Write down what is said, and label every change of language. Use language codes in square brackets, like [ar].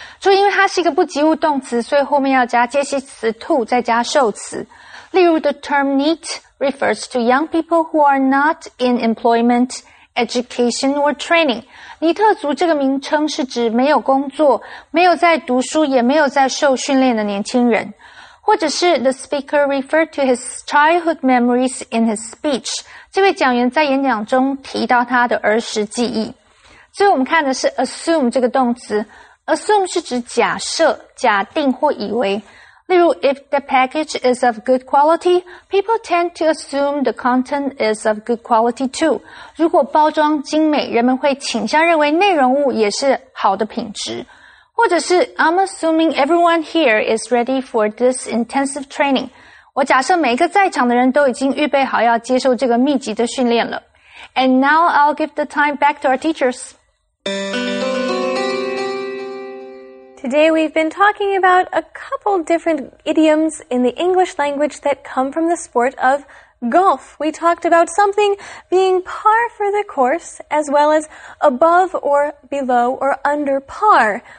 [zh] 就因为它是一个不及物动词，所以后面要加介系词 to， 再加受词。 [en] 例如 the term neat refers to young people who are not in employment,education or training. [zh] 尼特族这个名称是指没有工作、没有在读书、也没有在受训练的年轻人。 [en] 或者是 the speaker referred to his childhood memories in his speech. [zh] 这位讲员在演讲中提到他的儿时记忆。最后我们看的是 assume 这个动词。assume 是指假设、假定或以为。 [en] 例如 if the package is of good quality, people tend to assume the content is of good quality too. [zh] 如果包装精美，人们会倾向认为内容物也是好的品质。 [en] 或者是 I'm assuming everyone here is ready for this intensive training. [zh] 我假设每一个在场的人都已经预备好要接受这个密集的训练了。 [en] And now I'll give the time back to our teachers. Today we've been talking about a couple different idioms in the English language that come from the sport of golf. We talked about something being par for the course, as well as above or below or under par.